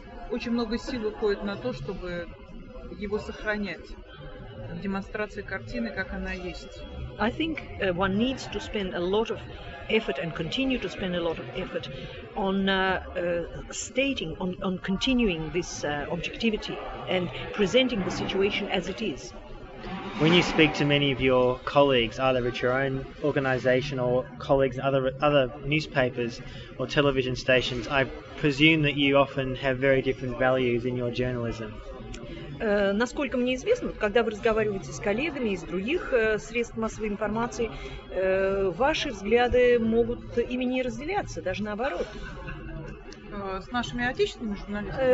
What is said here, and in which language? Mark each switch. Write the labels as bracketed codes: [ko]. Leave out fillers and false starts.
[ru] Очень много сил уходит на то, чтобы его сохранять. Демонстрация картины, как она есть. [en] I think one needs to spend a lot of effort and continue to spend a lot of effort on stating, on continuing this objectivity and presenting the situation as it is. When you speak to many of your colleagues, either at your own organization or colleagues in other newspapers or television stations, I presume that you often have very different values in your journalism. [ru] Насколько мне известно, когда вы разговариваете с коллегами из других средств массовой информации, ваши взгляды могут ими не разделяться, даже наоборот. С нашими отечественными журналистами?